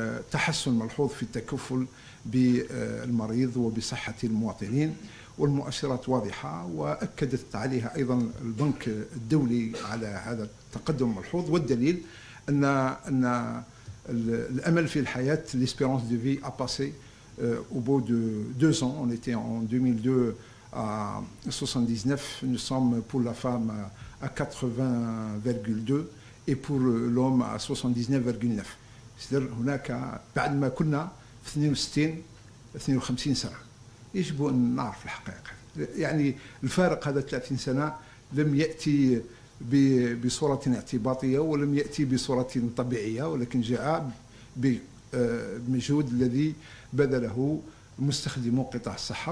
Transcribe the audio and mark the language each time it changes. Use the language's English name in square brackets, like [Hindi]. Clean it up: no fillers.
[Arabic] تحسن ملحوظ في التكفل بالمريض وبصحة المواطنين، والمؤشرات واضحة، وأكدت عليها أيضا البنك الدولي على هذا التقدم الملحوظ، والدليل أن الأمل في الحياة [French] l'espérance de vie a passé au bout de deux ans. On était en 2002 à 79, nous sommes pour la femme à 80,2 et pour l'homme à 79,9. C'est-à-dire, [Arabic] هناك بعد ما كنا في 62 52 سنة. يجب أن نعرف الحقيقة. يعني الفارق هذا 30 سنة لم يأتي بصورة اعتباطية ولم يأتي بصورة طبيعية، ولكن جاء بمجهود الذي بذله مستخدمو قطاع الصحة.